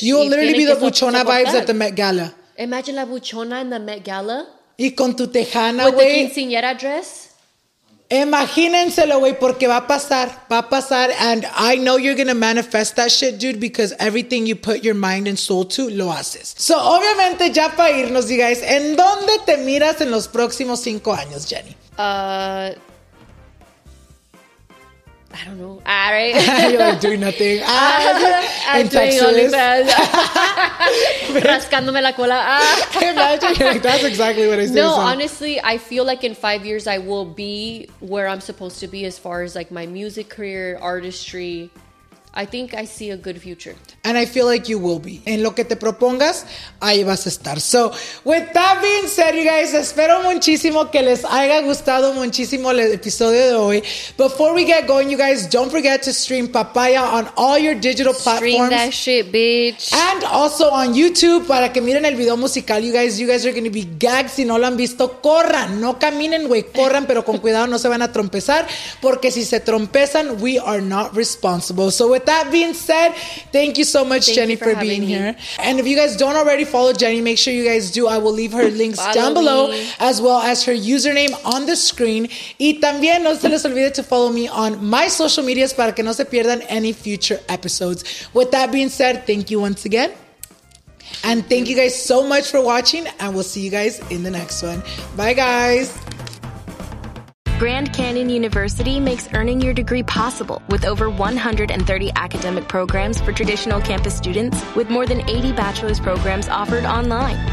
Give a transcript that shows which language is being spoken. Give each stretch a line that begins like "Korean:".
English: You will literally be the buchona vibes at the Met Gala. Imagine la buchona in the Met Gala.
Spanish: Y con tu tejana, güey.
English: With the quinceañera dress.
Spanish: Imagínenselo, güey, porque va a pasar. Va a pasar.
English: And I know you're going to manifest that shit, dude, because everything you put your mind and soul to,
Spanish: lo haces. So, obviamente, ya para irnos,
English: you guys,
Spanish: ¿en dónde te miras en los próximos 5 años, Jenny?
English: I don't know. All right. You're like, doing nothing. I'm doing OnlyFans.
Spanish: Rascándome la cola.
English: Imagine. Like, that's exactly what I said. No, honestly, I feel like in 5 years, I will be where I'm supposed to be as far as like my music career, artistry. I think I see a good future. And I feel like you will be.
Spanish: En lo que te propongas, ahí vas a estar.
English: So, with that being said, you guys,
Spanish: espero muchísimo que les haya gustado muchísimo el episodio de hoy.
English: Before we get going, you guys, don't forget to stream Papaya on all your digital platforms. Stream that shit, bitch. And also on YouTube,
Spanish: para que miren el video musical,
English: you guys are going to be gagged.
Spanish: Si no lo han visto, corran. No caminen, güey, corran, pero con cuidado, no se van a trompezar, porque si se trompezan,
English: we are not responsible. So, with that being said, thank you so much, Jenny, for being here. And if you guys don't already follow Jenny, make sure you guys do. I will leave her links down below, as well as her username on the screen.
Spanish: Y también no se les olvide
English: to follow me on my social medias
Spanish: para que no se pierdan
English: any future episodes. With that being said, thank you once again. And thank you guys so much for watching. And we'll see you guys in the next one. Bye, guys. Grand Canyon University makes earning your degree possible with over 130 academic programs for traditional campus students, with more than 80 bachelor's programs offered online.